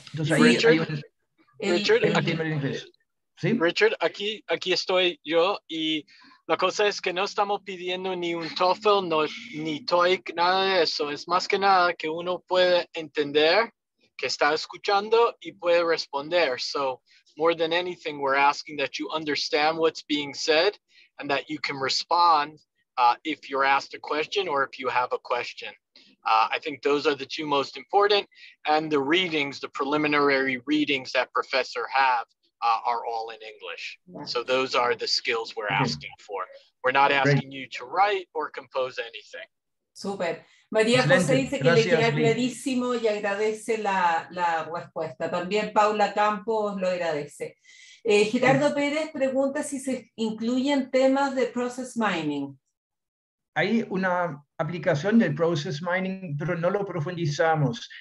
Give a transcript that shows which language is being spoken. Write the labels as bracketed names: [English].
[Spanish] Entonces, ahí Richard, Richard, aquí estoy yo, y la cosa es que no estamos pidiendo ni un TOEFL, no, ni TOEIC, nada de eso. Es más que nada que uno puede entender, que está escuchando y puede responder. [English] So, more than anything, we're asking that you understand what's being said and that you can respond if you're asked a question or if you have a question. I think those are the two most important. And the readings, the preliminary readings that professor have, are all in English. So those are the skills we're asking for. We're not asking you to write or compose anything. [Spanish] Super. María José dice que gracias, le queda clarísimo y agradece la respuesta. También Paula Campos lo agradece. Gerardo Pérez pregunta si se incluyen temas de process mining. Hay una aplicación del process mining, pero no lo profundizamos.